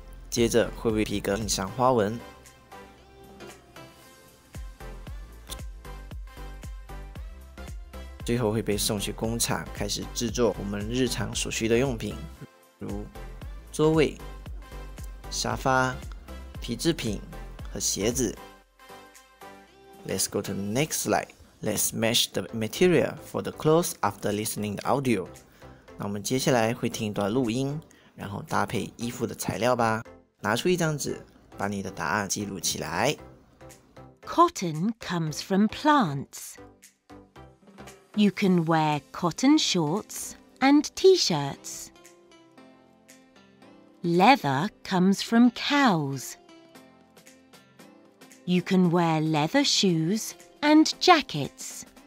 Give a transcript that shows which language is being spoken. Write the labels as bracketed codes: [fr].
[zh] 接着会为皮革印上花纹，最后会被送去工厂开始制作我们日常所需的用品，如座位、沙发、皮制品和鞋子。 [en] Let's go to the next slide. Let's match the material for the clothes after listening the audio. [zh] 那我们接下来会听一段录音，然后搭配衣服的材料吧。拿出一张纸，把你的答案记录起来。 [en] Cotton comes from plants. You can wear cotton shorts and t-shirts. Leather comes from cows. You can wear leather shoes and jackets.